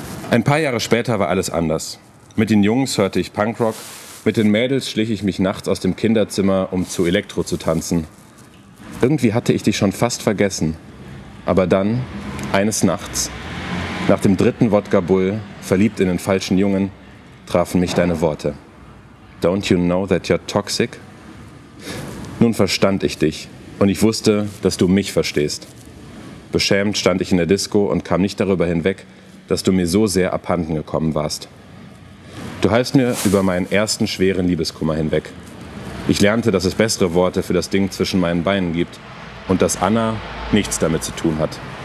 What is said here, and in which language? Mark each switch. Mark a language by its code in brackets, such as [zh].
[de] Ein paar Jahre später war alles anders. Mit den Jungs hörte ich Punkrock, mit den Mädels schlich ich mich nachts aus dem Kinderzimmer, um zu Elektro zu tanzen. Irgendwie hatte ich dich schon fast vergessen. Aber dann, eines Nachts, nach dem dritten Wodka Bull, verliebt in den falschen Jungen, trafen mich deine Worte. [en] Don't you know that you're toxic? [de] Nun verstand ich dich und ich wusste, dass du mich verstehst. Beschämt stand ich in der Disco und kam nicht darüber hinweg, dass du mir so sehr abhanden gekommen warst. Du halfst mir über meinen ersten schweren Liebeskummer hinweg. Ich lernte, dass es bessere Worte für das Ding zwischen meinen Beinen gibt und dass Anna nichts damit zu tun hat.